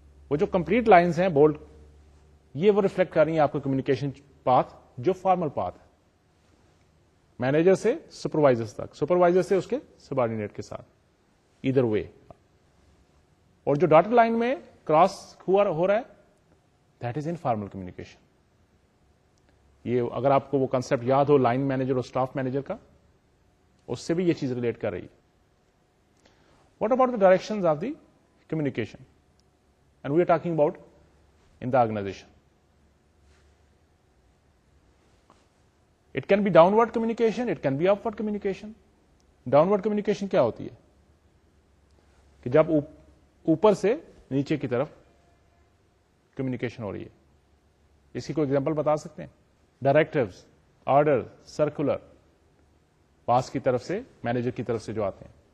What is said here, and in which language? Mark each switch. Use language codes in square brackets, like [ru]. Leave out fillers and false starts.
[ur] وہ جو complete lines ہیں بولڈ, یہ وہ ریفلیکٹ کر رہی ہیں آپ کا کمیونیکیشن پاتھ جو فارمل پاتھ ہے, مینیجر سے سپروائزر تک, سپروائزر سے اس کے سبارڈینیٹ کے ساتھ, ایدھر وے. اور جو ڈاٹڈ لائن میں کراس ہو رہا ہے, [en] That is informal communication. [ur] یہ اگر آپ کو وہ کنسپٹ یاد ہو لائن مینیجر اور سٹاف مینیجر کا, اس سے بھی یہ چیز ریلیٹ کر رہی ہے. [en] What about the directions of the communication and we are talking about in the organisation? It can be downward communication, it can be upward communication. [ur] Down word communication کیا ہوتی ہے؟ کہ جب اوپر سے نیچے کی طرف کمیونیکیشن ہو رہی ہے. اس کی کوئی ایگزامپل بتا سکتے ہیں؟ ڈائریکٹوز, آرڈر, سرکولر, باس کی طرف سے, مینیجر کی طرف سے جو آتے ہیں.